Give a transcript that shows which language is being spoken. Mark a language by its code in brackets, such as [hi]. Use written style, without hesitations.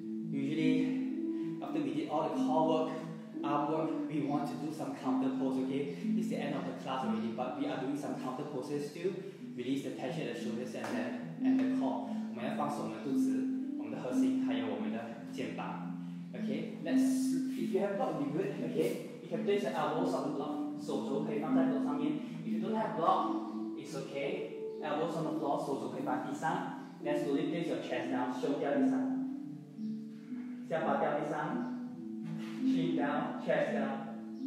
[en] Usually After we did all the core work Arm work We want to do some counter pose Okay It's the end of the class already But we are doing some counter poses still Release the tension at the shoulders and the core. [zh] 我们要放松我们的肚子，我们的核心，还有我们的肩膀. [en] Okay, let's. If you have block, be good. Okay, you can place the elbows on the block. [zh] 手肘可以放在桌上面. [en] If you don't have block, it's okay. Elbows on the floor, [zh] 手肘可以放地上. [en] Then slowly place your chest down, [zh] 胸掉地上，下巴掉地上, [en] chin down, chest down.